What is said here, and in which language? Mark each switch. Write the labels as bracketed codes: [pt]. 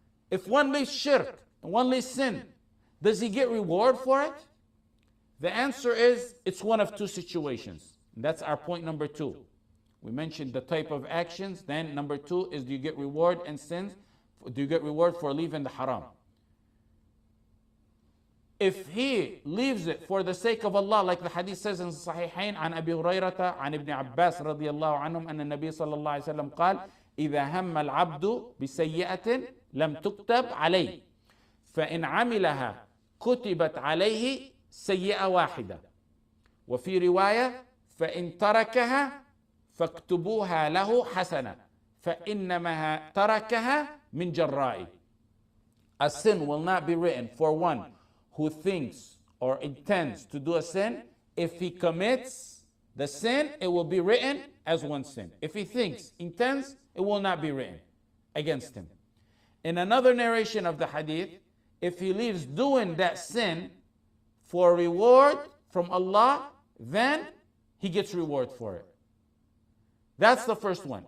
[en] If one leaves shirk, one leaves sin, does he get reward for it? The answer is, it's one of two situations. That's our point number two. We mentioned the type of actions. Then number two is, do you get reward and sins? Do you get reward for leaving the haram? If he leaves it for the sake of Allah, like the hadith says in Sahihain, [ar] عن أبي هريرة عن ابن عباس رضي الله عنهم أن النبي صلى الله عليه وسلم قال إذا هم العبد بسيئة لم تكتب عليه فإن عملها كتبت عليه سيئة واحدة وفي رواية فإن تركها فاكتبوها له حسنة فإنما تركها من جرائي. [en] A sin will not be written for one who thinks or intends to do a sin. If he commits the sin, it will be written as one sin. If he thinks, intends, it will not be written against him. In another narration of the hadith, if he leaves doing that sin for reward from Allah, then he gets reward for it. That's the first one.